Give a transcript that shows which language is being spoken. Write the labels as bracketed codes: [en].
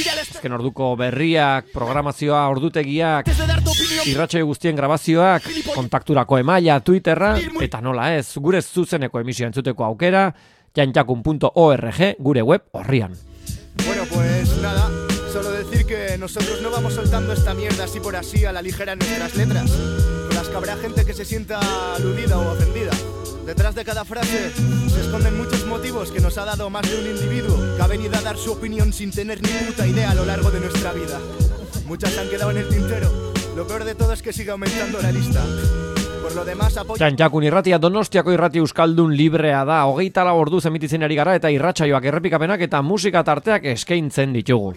[eu] Azken orduko berriak, programazioa, ordutegiak, irratxai guztien grabazioak, kontakturako emaila, Twitterra, eta nola ez, gure zuzeneko emisioa entzuteko aukera, jantxakun.org, gure web horrian. [es] Bueno, pues nada, solo decir que nosotros no vamos soltando esta mierda así por así a la ligera en nuestras letras. Con las que habrá gente que se sienta aludida o ofendida. Detrás de cada frase se esconden muchos motivos que nos ha dado más de un individuo que ha venido a dar su opinión sin tener ni puta idea a lo largo de nuestra vida. Muchas han quedado en el tintero. Lo peor de todo es que sigue aumentando la lista. Por lo demás, apoyo... [eu] Txantxakun irratia Donostiako irrati euskaldun librea da. 24 orduz emititzen ari gara eta irratsaioak errepikapenak eta musika tarteak eskaintzen ditugu.